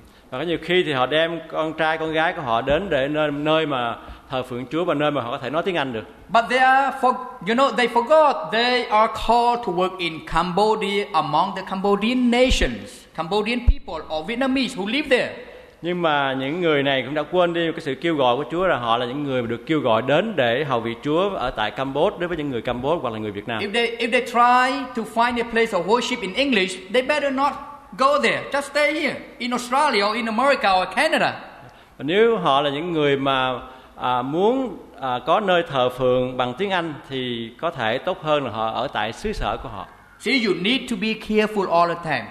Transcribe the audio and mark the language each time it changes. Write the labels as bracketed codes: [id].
[vi] Và có nhiều khi thì họ đem con trai con gái của họ đến để nơi mà thờ phượng Chúa và nơi mà họ có thể nói tiếng Anh được. [en] But they are they forgot they are called to work in Cambodia among the Cambodian nations, Cambodian people or Vietnamese who live there. [vi] Nhưng mà những người này cũng đã quên đi cái sự kêu gọi của Chúa là họ là những người được kêu gọi đến để hầu việc Chúa ở tại Campuchia đối với những người Campuchia hoặc là người Việt Nam. [en] If they try to find a place of worship in English, they better not go there. Just stay here in Australia or in America or Canada. [vi] Và nếu họ là những người mà muốn có nơi thờ phượng bằng tiếng Anh thì có thể tốt hơn là họ ở tại xứ sở của họ. [en] See, you need to be careful all the time.